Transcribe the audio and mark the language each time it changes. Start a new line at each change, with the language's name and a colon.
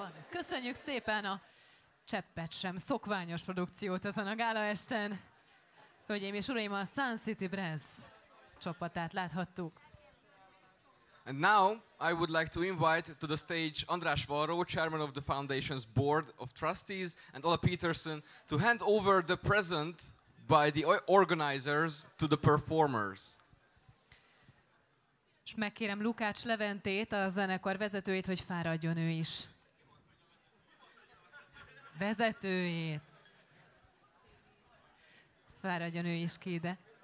Hungarian: Köszönjük szépen a cseppet sem szokványos produkciót ezen a gála esten. Hölgyeim és uraim, a Sun City Brass csapatát láthattuk.
English: And now I would like to invite to the stage András Varró, chairman of the foundation's board of trustees, and Ola Peterson to hand over the present by the organizers to the performers.
Hungarian: És megkérem Lukács Leventét, a zenekar vezetőjét, hogy fáradjon ő is. Vezetőjét. Fáradjon ő is ki ide.